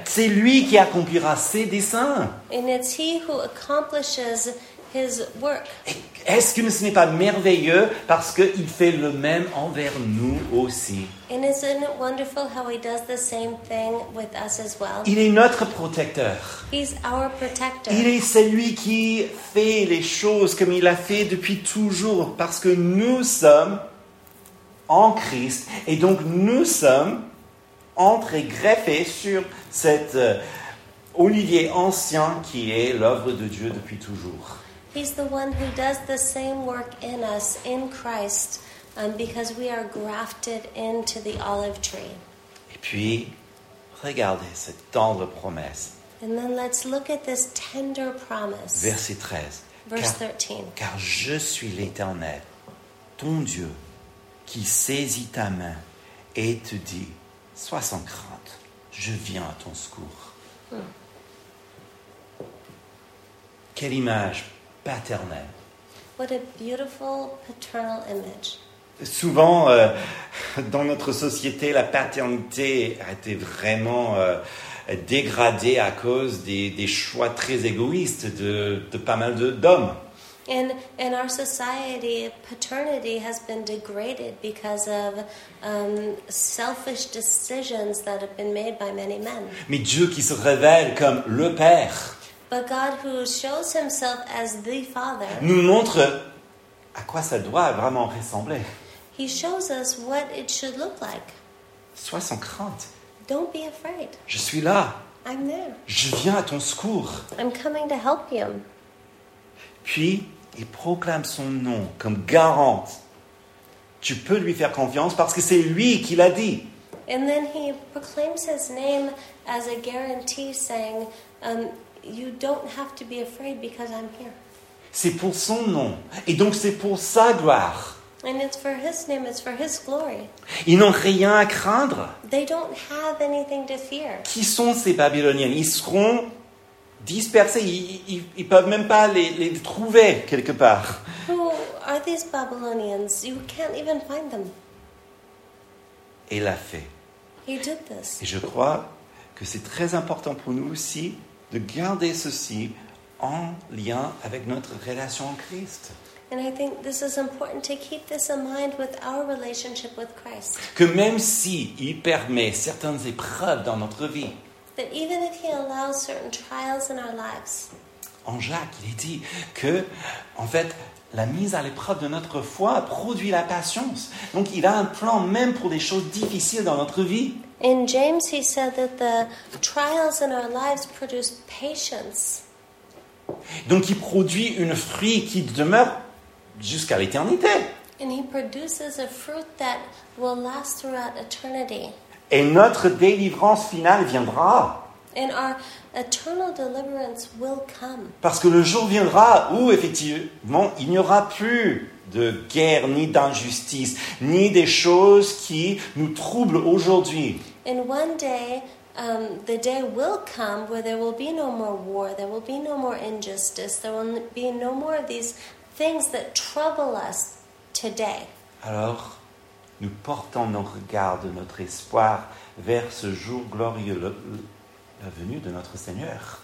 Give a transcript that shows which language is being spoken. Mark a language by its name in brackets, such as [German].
[French] C'est lui qui accomplira ses desseins. [English] And it's he who accomplishes his work. [French] Est-ce que ce n'est pas merveilleux parce qu'il fait le même envers nous aussi? [English] And isn't it wonderful how he does the same thing with us as well? [French] Il est notre protecteur. [English] He's our protector. [French] Il est celui qui fait les choses comme il a fait depuis toujours parce que nous sommes en Christ et donc nous sommes entrés greffés sur cet olivier ancien qui est l'œuvre de Dieu depuis toujours. [English] He's the one who does the same work in us in Christ because we are grafted into the olive tree. [French] Et puis regardez cette tendre promesse. [English] And then let's look at this tender promise. [French] Verset 13. [English] Verse 13. [French] Car je suis l'Éternel, ton Dieu, qui saisit ta main et te dit, sois sans crainte, je viens à ton secours. Hmm. Quelle image paternelle. [English] What a beautiful paternal image. [French] Souvent, dans notre société, la paternité a été vraiment dégradée à cause des choix très égoïstes de pas mal d'hommes. [English] In our society, paternity has been degraded because of selfish decisions that have been made by many men. [French] Mais Dieu qui se révèle comme le Père. [English] But God who shows himself as the Father. [French] Nous montre à quoi ça doit vraiment ressembler. [English] He shows us what it should look like. [French] Sois sans crainte. [English] Don't be afraid. [French] Je suis là. [English] I'm there. [French] Je viens à ton secours. [English] I'm coming to help you. [French] Puis il proclame son nom comme garante. Tu peux lui faire confiance parce que c'est lui qui l'a dit. [English] And then he proclaims his name as a guarantee saying, you don't have to be afraid because I'm here. [French] C'est pour son nom et donc c'est pour sa gloire. [English] And it's for his name, it's for his glory. [French] Ils n'ont rien à craindre. [English] They don't have anything to fear. [French] Qui sont ces Babyloniens? Ils seront dispersés, ils peuvent même pas les trouver quelque part. [English] Who are these Babylonians? You can't even find them. [French] Et l'a fait. [English] He did this. [French] Et je crois que c'est très important pour nous aussi de garder ceci en lien avec notre relation en Christ. [English] And I think this is important to keep this in mind with our relationship with Christ. [French] Que même si il permet certaines épreuves dans notre vie. [English] That even if he allows certain trials in our lives. [French] En Jacques, il est dit que, en fait, la mise à l'épreuve de notre foi produit la patience. Donc, il a un plan même pour les choses difficiles dans notre vie. [English] In James, he said that the trials in our lives produce patience. [French] Donc, il produit une fruit qui demeure jusqu'à l'éternité. [English] And he produces a fruit that will last throughout eternity. [French] Et notre délivrance finale viendra. [English] And our eternal deliverance will come. [French] Parce que le jour viendra où, effectivement, il n'y aura plus de guerre, ni d'injustice, ni des choses qui nous troublent aujourd'hui. [English] And one day, the day will come where there will be no more war, there will be no more injustice, there will be no more of these things that trouble us today. [French] Alors, nous portons nos regards de notre espoir vers ce jour glorieux, la venue de notre Seigneur.